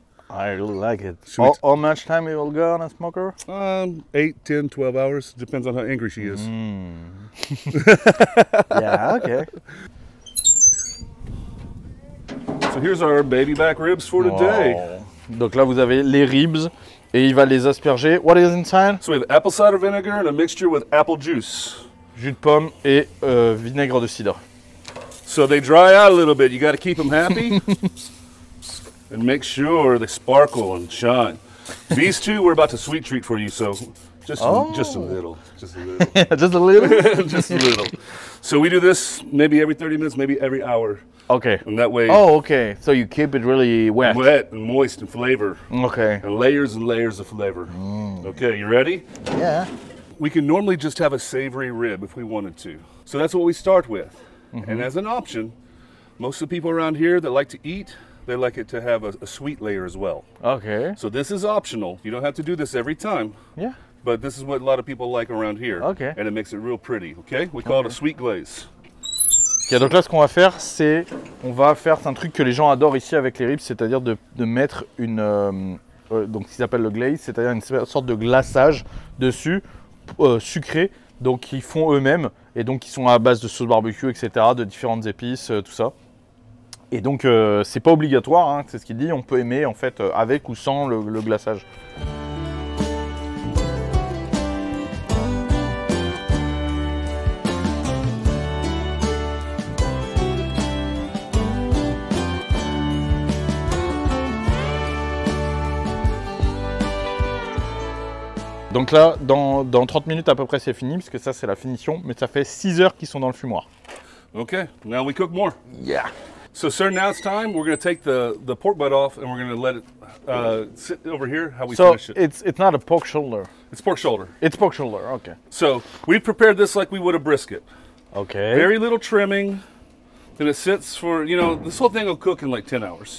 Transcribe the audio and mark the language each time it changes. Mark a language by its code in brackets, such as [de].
[en] I really like it. How much time it will go on a smoker? 8, 10, 12 hours. Depends on how angry she is. Yeah, okay. So here's our baby back ribs for today. [fr] Donc là, vous avez les ribs et il va les asperger. [en] What is inside? So we have apple cider vinegar and a mixture with apple juice. [fr] Jus de pomme et vinaigre de cidre. [en] So they dry out a little bit. You got to keep them happy and make sure they sparkle and shine. These two, we're about to sweet treat for you. So just a little. Just a little. So we do this maybe every 30 minutes, maybe every hour. Okay. And that way. Oh, okay. So you keep it really wet. Wet and moist and flavor. Okay. And layers of flavor. Mm. Okay. You ready? Yeah. We can normally just have a savory rib if we wanted to. So that's what we start with. Mm-hmm. And as an option, Most of the people around here that like to eat, they like it to have a sweet layer as well. Okay. So this is optional. You don't have to do this every time. Yeah. But this is what a lot of people like around here. Okay. And it makes it real pretty, okay? We call it a sweet glaze. [fr] Okay, donc là, ce qu'on va faire, c'est... On va faire un truc que les gens adorent ici avec les ribs, c'est-à-dire de mettre une... donc, ce qu'ils appellent le glaze, c'est-à-dire une sorte de glaçage dessus, sucré, donc ils font eux-mêmes, et donc ils sont à base de sauce barbecue, etc., de différentes épices, tout ça. Et donc, c'est pas obligatoire, hein, c'est ce qu'il dit, on peut aimer, en fait, avec ou sans le glaçage. Donc là, dans 30 minutes à peu près, c'est fini, parce que ça, c'est la finition. Mais ça fait 6 heures qu'ils sont dans le fumoir. [en] OK, now we cook more. Yeah. So, sir, now it's time. We're going to take the pork butt off, and we're going to let it sit over here, how we so finish it. So, it's not a pork shoulder. It's pork shoulder. It's pork shoulder, OK. So, we prepared this like we would a brisket. OK. Very little trimming, and it sits for, you know, this whole thing will cook in like 10 hours.